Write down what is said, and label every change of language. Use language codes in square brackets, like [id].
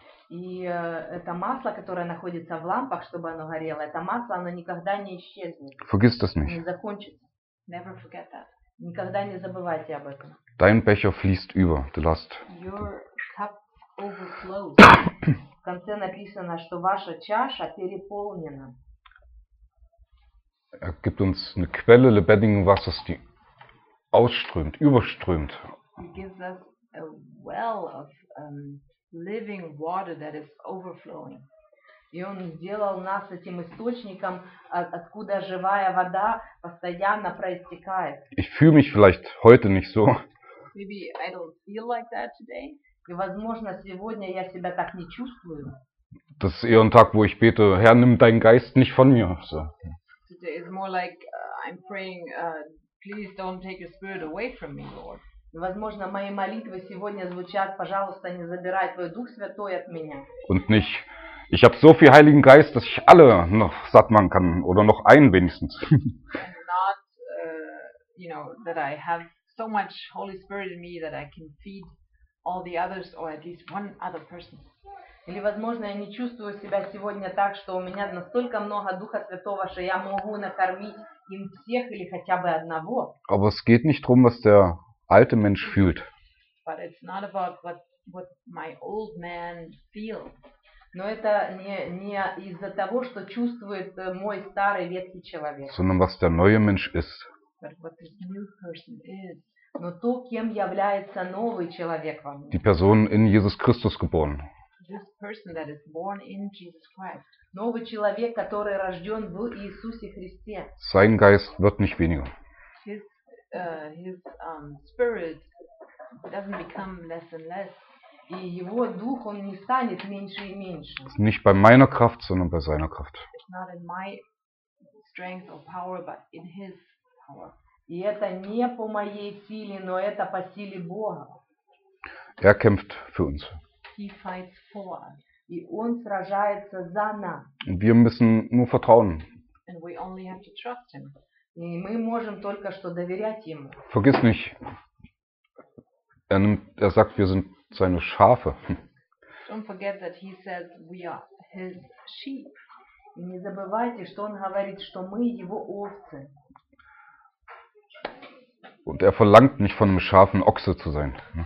[ru] И это масло, которое находится в лампах, чтобы оно горело, это масло, оно никогда не исчезнет. [de] Vergiss das nicht. [ru] Не закончится. [en] Never forget that. [ru] Никогда не забывайте об этом. [de] Dein Becher fließt über, [en] the last. Your cup overflows. [ru] В конце написано, что ваша чаша переполнена. [de] Er gibt uns eine Quelle lebendigen Wassers, die ausströmt, überströmt. [en] He gives us a well of living water that is overflowing. [ru] И он сделал нас этим источником, откуда живая вода постоянно проистекает. [de] Ich fühle mich vielleicht heute nicht so. [en] Maybe I don't feel like that today. [ru] И возможно, сегодня я себя так не чувствую. [de] Das ist eher ein Tag, wo ich bete, Herr, nimm deinen Geist nicht von mir. So. [en] Today is more like I'm praying, please don't take your spirit away from me, Lord. [ru] Возможно, мои молитвы сегодня звучат, пожалуйста, не забирай твой Дух Святой от меня. [de] Und nicht, Ich habe so viel Heiligen Geist, dass ich alle noch satt machen kann oder noch einen wenigstens. [en] Not, you know, that I have so much Holy Spirit in me that I can feed all the others or at least one other person. [ru] Или, возможно, я не чувствую себя сегодня так, что у меня настолько много Духа Святого, что я могу накормить им всех или хотя бы одного. [de] Aber es geht nicht drum, was der alte Mensch fühlt. [en] But it's not about what my old man feels. [ru] Но это не из-за того, что чувствует мой старый ветхий человек. [de] Sondern was der neue Mensch ist. [en] But what this new person is. [ru] Но то, кем является новый человек во мне. [de] Die Person in Jesus Christus geboren. [en] This person that is born in Jesus Christ. [ru] Новый человек, который рожден в Иисусе Христе. [de] Sein Geist wird nicht weniger. [en] His spirit doesn't become less and less. [ru] И его дух, он не станет меньше и меньше. [en] It's [de] nicht bei meiner Kraft, sondern bei seiner Kraft. [en] It's not in my strength or power, but in his power. [ru] И это не по моей силе, но это по силе Бога. [de] Er kämpft für uns. [en] He fights for us. [ru] И он сражается за нас. [de] Und wir müssen nur vertrauen. [en] And we only have to trust him. [ru] И мы можем только что доверять ему. [de] Vergiss nicht. Er sagt, wir sind seine Schafe. [en] Don't forget that he says we are his sheep. [ru] И не забывайте, что он говорит, что мы его овцы. [de] Und er verlangt nicht von einem Schaf ein Ochse zu sein.